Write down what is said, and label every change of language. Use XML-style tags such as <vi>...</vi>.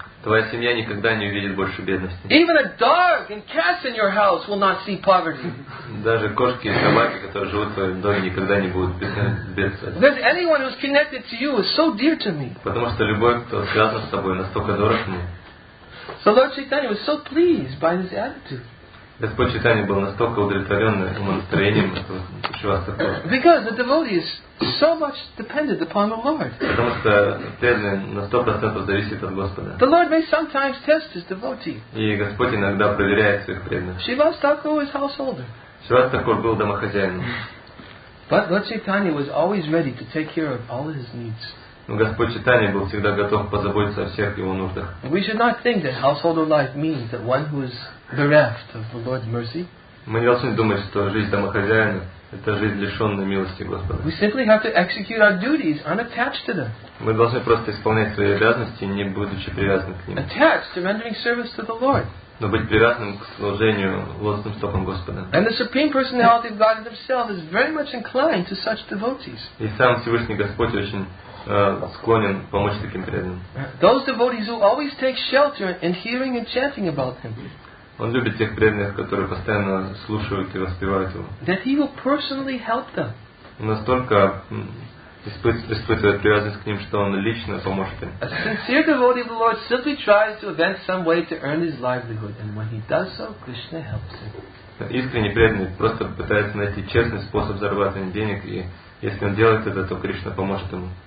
<ru>Твоя семья никогда не увидит больше бедности.</ru> <en>Even a dog and cats in your house will not see poverty.</en> <ru>Даже кошки и собаки, которые живут в твоем доме, никогда не будут бедствовать.</ru> <en>Because anyone who's connected to you is so dear to me.</en> <ru>Потому что любой, кто связан с тобой, настолько дорог мне.</ru> <en>So Lord Chaitanya was so pleased by this attitude.</en> <ru>Господь Чайтанья был настолько удовлетворен его настроением, что</ru> <en>Because the devotee is so much dependent upon the Lord.</en> <ru>Потому что преданный на 100% зависит от Господа.</ru> <en>The Lord may sometimes test his devotee.</en> <ru>И Господь иногда проверяет своих преданных.</ru> <en>Shrivas Thakur was householder.</en> <ru>Shrivas Thakur был домохозяином.</ru> <en>But Lord Chaitanya was always ready to take care of all his needs.</en> <ru>Но Господь Чайтанья был всегда готов позаботиться о всех его нуждах.</ru> <en>We should not think that householder life means that one who is bereft of the Lord's mercy.</en> <ru>Мы не должны думать, что жизнь домохозяина это жизнь лишённая милости Господа.</ru> <en>We simply have to execute our duties unattached to them.</en> <ru>Мы должны просто исполнять свои обязанности, не будучи привязаны к ним.</ru> <en>Attached to rendering service to the Lord.</en> <ru>Но быть привязанным к служению лотосным стопам Господа.</ru> <en>And the Supreme Personality of God Himself is very much inclined to such devotees.</en> <ru>И сам Всевышний Господь очень склонен помочь таким преданным.</ru> <en>Those devotees who always take shelter in hearing and chanting about Him.</en> <ru>Он любит тех преданных, которые постоянно слушают и воспевают его.</ru> <en>That he will personally help them.</en> <ru>Он настолько испытывает привязанность к ним, что он лично поможет им.</ru> <en>A sincere devotee of the Lord simply tries to invent some way to earn his livelihood, and when he does so, Krishna helps him.</en> <ru>Искренне преданный просто пытается найти честный способ зарабатывания денег, и если он делает это, то Кришна поможет ему.</ru>